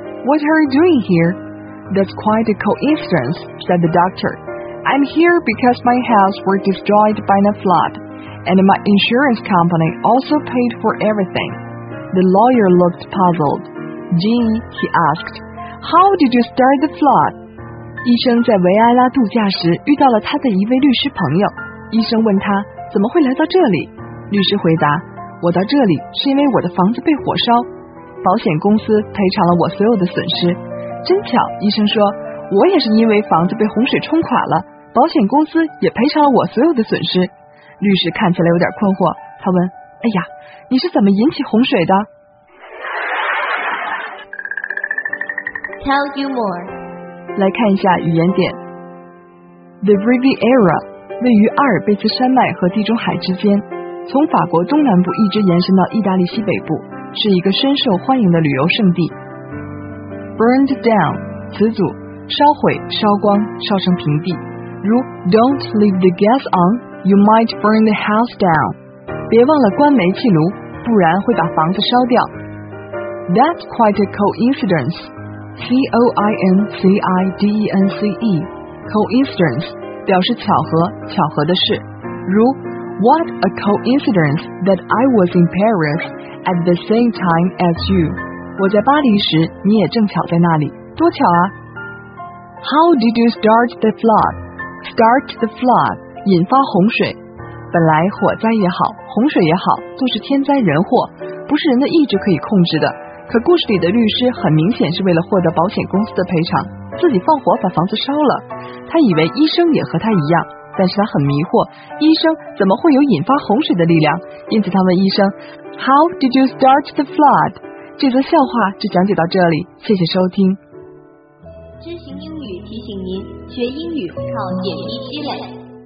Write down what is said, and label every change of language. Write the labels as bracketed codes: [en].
[en] What are you doing here? That's quite a coincidence, said the doctor. I'm here because my house was destroyed by a flood and my insurance company also paid for everything. The lawyer looked puzzled. Jean, he asked, How did you start the flood? [zh] 医生在维埃拉度假时遇到了他的一位律师朋友。医生问他怎么会来到这里？律师回答，我到这里是因为我的房子被火烧，保险公司赔偿了我所有的损失。真巧，医生说，我也是因为房子被洪水冲垮了，保险公司也赔偿了我所有的损失。律师看起来有点困惑，他问，哎呀，你是怎么引起洪水的？ [en] Tell you more. [zh] 来看一下语言点。 The Riviera 位于阿尔卑斯山脉和地中海之间，从法国东南部一直延伸到意大利西北部，是一个深受欢迎的旅游胜地。 [en] Burned down [zh] 词组，烧毁、烧光、烧成平地，如 [en] Don't leave the gas on, you might burn the house down. [zh] 别忘了关煤气炉，不然会把房子烧掉。 [en] That's quite a coincidence. C-O-I-N-C-I-D-E-N-C-E Coincidence [zh] 表示巧合，巧合的事，如 [en] What a coincidence that I was in Paris at the same time as you. [zh] 我在巴黎时你也正巧在那里，多巧啊。 [en] How did you start the flood? Start the flood [zh] 引发洪水，本来火灾也好，洪水也好，都是天灾人祸，不是人的意志可以控制的。可故事里的律师很明显是为了获得保险公司的赔偿，自己放火把房子烧了。他以为医生也和他一样，但是他很迷惑，医生怎么会有引发洪水的力量？因此他问医生 [en] How did you start the flood? [zh] 这则笑话就讲解到这里，谢谢收听。知行英语提醒您，学英语靠点滴积累。